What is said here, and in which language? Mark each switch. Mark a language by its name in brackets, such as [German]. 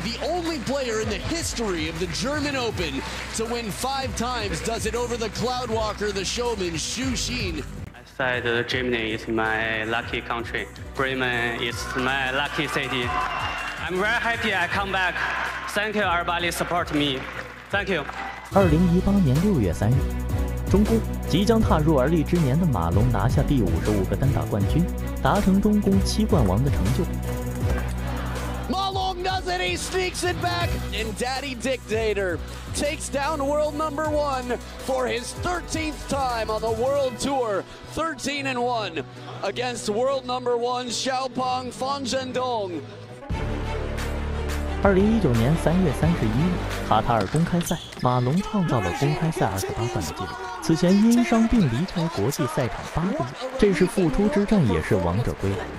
[English] The only player in the history of the German Open to win 5 times does it over the cloud walker, the showman, Xu Xin. I said Germany is my lucky country. Bremen is my lucky city. I'm very happy I come back. Thank you, everybody, support me. Thank you. [Chinese] 2018年6月3日，中宫，即将踏入而立之年的马龙拿下第55个单打冠军，达成中宫七冠王的成就。 [English] 马龙 does it, he sneaks it back, and Daddy Dictator takes down world number one for his 13th time on the world tour, 13-1 against world number one Xiaopeng Fan Zhendong。 [Chinese] 2019年3月31日，卡塔尔公开赛，马龙创造了公开赛28冠的纪录。此前因伤病离开国际赛场8个月，这是复出之战，也是王者归来。